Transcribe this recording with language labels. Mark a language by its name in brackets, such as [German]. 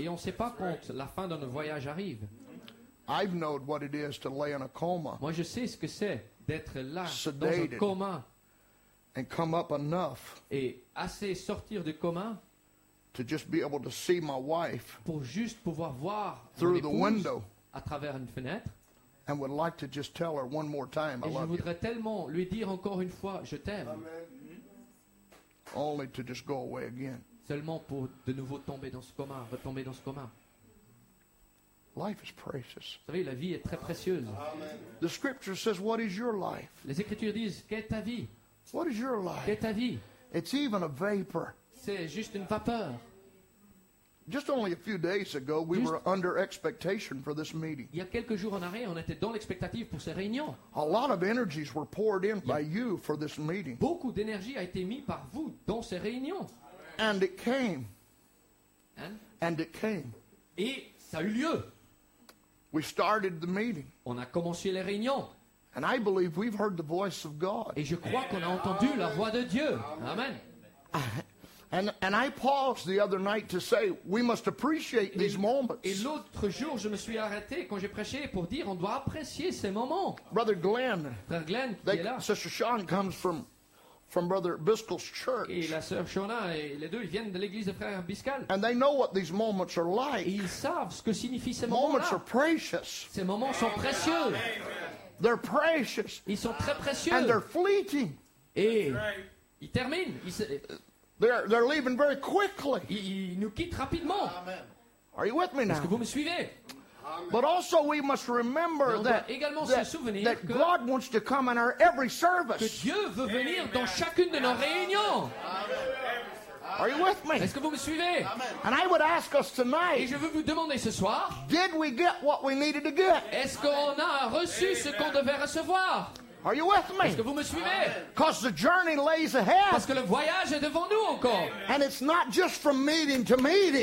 [French] Et on ne sait pas quand la fin de notre voyage arrive. [English] I've known what it is to lay in a coma. [French] Moi, je sais ce que c'est d'être là [English] sedated, [French] dans un coma. [English] And come up enough. [French] Et assez sortir du coma. [English] To just be able to see my wife [French] pour juste pouvoir voir [English] through the window [French] à travers une fenêtre [English] and would like to just tell her one more time [French] et [English] I love you. [French] Je voudrais tellement lui dire encore une fois je t'aime. [English] Amen. Only to just go away again. [French] Seulement pour de nouveau tomber dans ce coma, retomber dans ce coma. [English] Life is precious. [French] Vous savez, la vie est très précieuse. [English] Amen. The scripture says what is your life? [French] Les écritures disent qu'est ta vie? [English] What is your life? [French] Qu'est ta vie? [English] It's even a vapor. [French] C'est juste une vapeur. [English] Just only a few days ago, we were under expectation for this meeting. [French] Il y a quelques jours en arrière, on était dans l'expectative pour ces réunions. [English] A lot of energies were poured in by you for this meeting. [French] Beaucoup d'énergie a été mise par vous dans ces réunions. [English] And it came. And it came. [French] Et ça a eu lieu. [English] We started the meeting. [French] On a commencé les réunions. [English] And I believe we've heard the voice of God. [French] Et je crois qu'on a entendu la voix de Dieu. [English] Amen. And I paused the other night to say we must appreciate these moments. [French] Et l'autre jour, je me suis arrêté quand j'ai prêché pour dire on doit apprécier ces moments. [English] Brother Glenn, [French] Frère Glenn qui est là. [English] Sister Sean comes from Brother Biscal's church. [French] Et la sœur Shauna et les deux ils viennent de l'église de Frère Biscal. [English] And they know what these moments are like. [French] Et ils savent ce que signifient ces moments-là. [English] Moments are precious. [French] Ces moments sont précieux. [English] They're precious. [French] Ils sont très précieux. [English] And they're fleeting. [French] Et right. Ils terminent. [English] They're leaving very quickly. [French] Ils nous quittent rapidement. [English] Amen. Are you with me now? [French] Est-ce que vous me suivez? [English] But also we must remember that God wants to come in our every service. [French] Que Dieu veut venir dans chacune de nos réunions. [English] Are you with me? [French] Est-ce que vous me suivez? [English] Amen. And I would ask us tonight. [French] Et je veux vous demander ce soir. [English] Did we get what we needed to get? [French] Est-ce qu'on a reçu ce qu'on devait recevoir? [English] Are you with me? [French] Est-ce que vous me suivez? [English] Because the journey lays ahead. [French] Parce que le voyage est devant nous encore. [English] And it's not just from meeting to meeting.